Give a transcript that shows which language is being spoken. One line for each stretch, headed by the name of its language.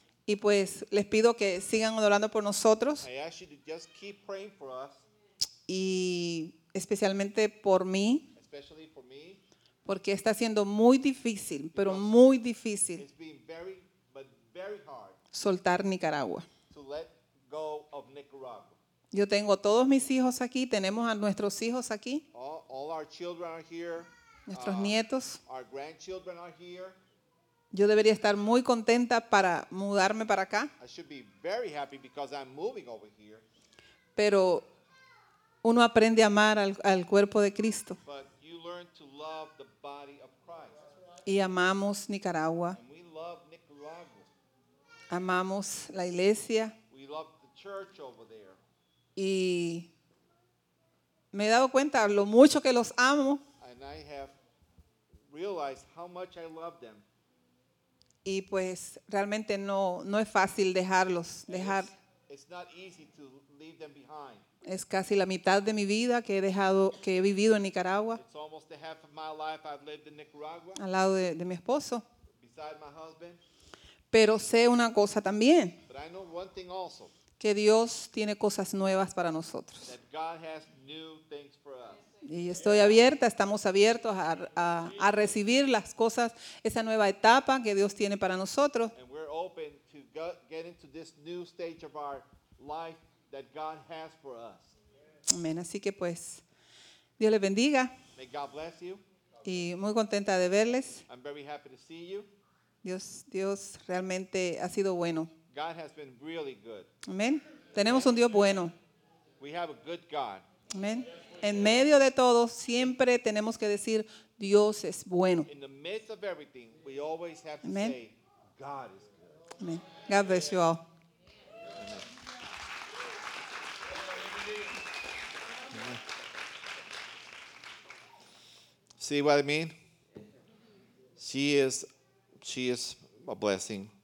Spanish: Y pues les pido que sigan orando por nosotros.
English: I ask you to just keep praying for us.
Spanish: Y especialmente por mí.
English: Especially for me.
Spanish: Porque está siendo muy difícil, pero muy difícil.
English: It's been very, but very hard.
Spanish: Soltar Nicaragua.
English: To let go of Nicaragua.
Spanish: Yo tengo todos mis hijos aquí, tenemos a nuestros hijos aquí.
English: All our children are here.
Spanish: Nuestros nietos.
English: Our grandchildren are here.
Spanish: Yo debería estar muy contenta para mudarme para acá.
English: I should be very happy because I'm moving over here.
Spanish: Pero uno aprende a amar al cuerpo de Cristo.
English: But you learn to love the body of Christ.
Spanish: Y amamos Nicaragua.
English: And we love Nicaragua.
Spanish: Amamos la iglesia.
English: We love the church over there.
Spanish: Y me he dado cuenta lo mucho que los amo.
English: And I have realized how much I love them.
Spanish: Y pues realmente no es fácil dejarlos, dejar.
English: It's not easy to leave them behind.
Spanish: Es casi la mitad de mi vida que he vivido en Nicaragua.
English: It's almost the half of my life I've lived in Nicaragua.
Spanish: Al lado de mi esposo.
English: Beside my husband.
Spanish: Pero sé una cosa también.
English: But I know one thing also.
Spanish: Que Dios tiene cosas nuevas para nosotros.
English: That God has new things for us.
Spanish: Y estoy abierta, estamos abiertos a recibir las cosas, esa nueva etapa que Dios tiene para nosotros.
English: And we're open to get into this new stage of our life that God has for us.
Spanish: Amén. Así que pues, Dios les bendiga.
English: May God bless you.
Spanish: Y muy contenta de verles.
English: I'm very happy to see you.
Spanish: Dios realmente ha sido bueno.
English: God has been really good.
Spanish: Amen. Tenemos un Dios bueno.
English: We have a good God.
Spanish: Amen. En medio de todo, siempre tenemos que decir, Dios es bueno.
English: In the midst of everything, we always have to Amen. Say, God is good. Amen. God bless you all. See what I mean? She is a blessing.